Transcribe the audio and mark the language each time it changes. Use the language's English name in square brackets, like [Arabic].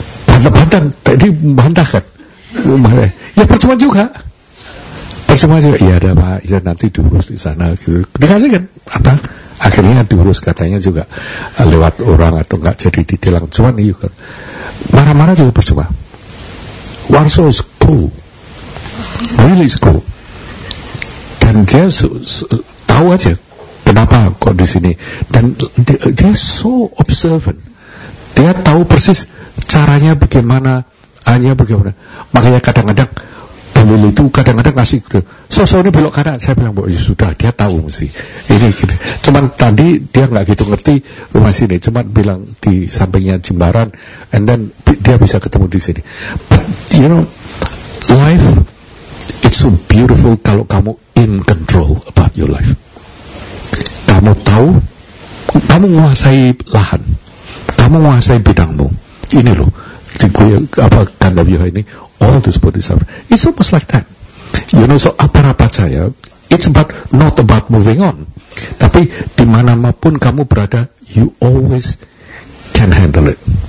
[Indonesian] Bantah-bantah, Teddy bantah kan? Ya percuma juga, ya ada Pak, ya nanti diurus di sana gitu. Dikasih kan, apa? Akhirnya diurus katanya juga lewat orang atau enggak jadi ditilang. Cuman iya kan, marah-marah juga percuma. [English] Warsaw is cool, really is cool. [Indonesian] Dan dia tahu aja kenapa kok di sini. Dan dia [English] so observant, [Indonesian] dia tahu persis caranya bagaimana, hanya bagaimana. Makanya kadang-kadang pemilih itu kadang-kadang ngasih gitu. So ini belok kanan, saya bilang ya sudah, dia tahu mesti ini gitu. Cuman tadi dia nggak gitu ngerti rumah sini, cuman bilang di sampingnya Jimbaran, and then dia bisa ketemu di sini. [English] But, you know, life it's so beautiful [Indonesian] kalau kamu [English] in control about your life. [Indonesian] Kamu tahu, kamu menguasai lahan, kamu menguasai bidangmu. Ini loh, apa Gandhaviha ini, [English] all this bodhisattva, it's almost like that, you know. So aparapacaya, it's about not about moving on, [Indonesian] tapi dimanapun kamu berada, [English] you always can handle it.